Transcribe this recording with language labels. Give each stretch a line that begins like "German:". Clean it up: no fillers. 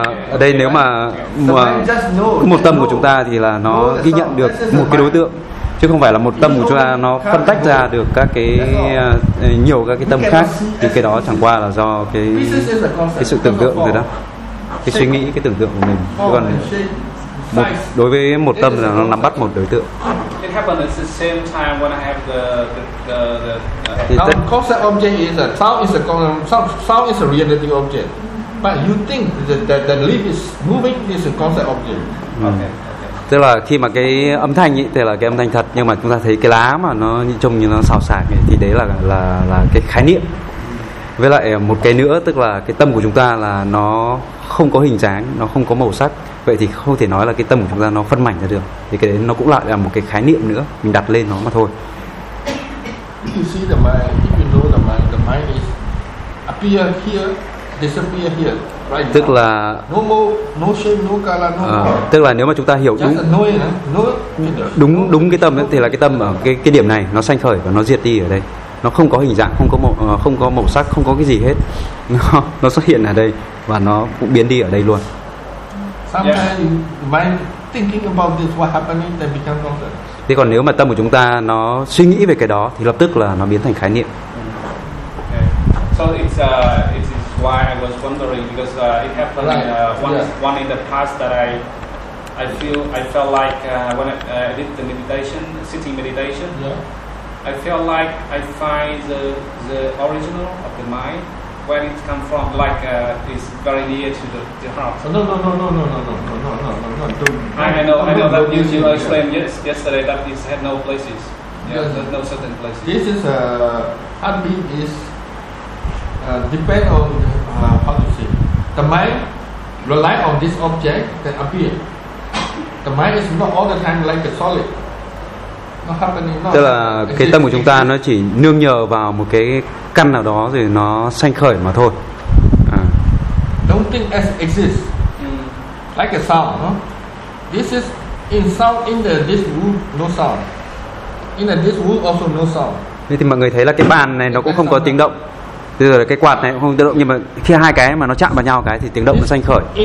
Vietnamese: ở đây nếu mà một tâm của chúng ta thì là nó ghi nhận được một cái đối tượng, chứ không phải là một tâm của chúng ta nó phân tách ra được các cái nhiều các cái tâm khác, thì cái đó chẳng qua là do cái sự tưởng tượng rồi đó, cái suy nghĩ, cái tưởng tượng của mình. Còn một, đối với một tâm là nó nắm bắt một đối tượng.
English: It happened at the same time when I have the concept object is a sound is a sound is a reality object, but you think that the leaf is moving is a concept object. Okay.
Vietnamese: Tức là khi mà cái âm thanh ấy thì là cái âm thanh thật, nhưng mà chúng ta thấy cái lá mà nó trông như nó xào xạc ấy, thì đấy là cái khái niệm. Với lại một cái nữa, tức là cái tâm của chúng ta là nó không có hình dáng, nó không có màu sắc, vậy thì không thể nói là cái tâm của chúng ta nó phân mảnh ra được, thì cái đấy nó cũng lại là một cái khái niệm nữa mình đặt lên nó mà thôi.
English: You see the mind, if you know the mind is appear here, disappear here, right?
Vietnamese: Tức là
English: no more, no shape, no color, no more.
Vietnamese: Tức là nếu mà chúng ta hiểu đúng đúng cái tâm ấy, thì là cái tâm ở cái điểm này nó sanh khởi và nó diệt đi ở đây, nó không có hình dạng, không có màu sắc, không có cái gì hết, nó xuất hiện ở đây và nó cũng biến đi ở đây luôn.
English: Sometimes mind thinking about this what happening then become concept.
Vietnamese: Thế còn nếu mà tâm của chúng ta nó suy nghĩ về cái đó thì lập tức là nó biến thành khái niệm.
English: Okay. So it's why I was wondering, because it happened one in the past that I felt like when I did the meditation, sitting meditation. Yeah. I felt like I find the original of the mind. where it comes from, like it's very near to the heart. No, I know that you explained yesterday that it had no places. Yeah, no certain places. This is a heartbeat is depend on how to say. The mind rely on this object that appear. The mind is not all the time like a solid.
Vietnamese: Tức là cái tâm của chúng ta nó chỉ nương nhờ vào một cái căn nào đó rồi nó sanh khởi mà thôi.
English: Don't think as exists like a sound. No? This is in sound in the this wood no sound. In the this wood also no sound.
Vietnamese: Thế thì mọi người thấy là cái bàn này nó cũng không có tiếng động. Tức là cái quạt này cũng không tiếng động, nhưng mà khi hai cái mà nó chạm vào nhau cái thì tiếng động nó sanh khởi.